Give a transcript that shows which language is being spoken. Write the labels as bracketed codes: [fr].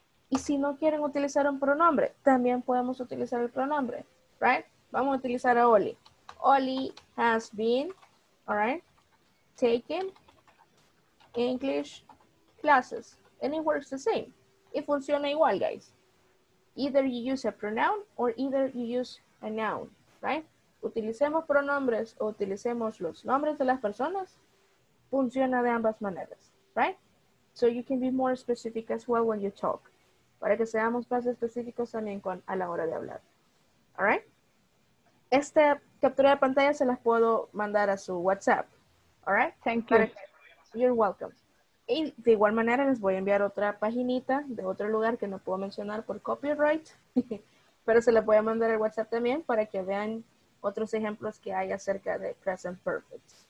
[es] Y si no quieren utilizar un pronombre, también podemos utilizar el pronombre, right? Vamos a utilizar a Oli. [en] Oli has been, all right, taking English classes. And it works the same. It [es] funciona igual, [en] guys. Either you use a pronoun or either you use a noun, right? [es] Utilicemos pronombres o utilicemos los nombres de las personas. Funciona de ambas maneras, right? [en] So you can be more specific as well when you talk. [es] Para que seamos más específicos también a la hora de hablar. [en] All right? [es] Esta captura de pantalla se las puedo mandar a su WhatsApp. [en] All right? Thank you. You're welcome. [es] Y de igual manera les voy a enviar otra paginita de otro lugar que no puedo mencionar por copyright, pero se la voy a mandar al WhatsApp también para que vean otros ejemplos que hay acerca de Present Perfect.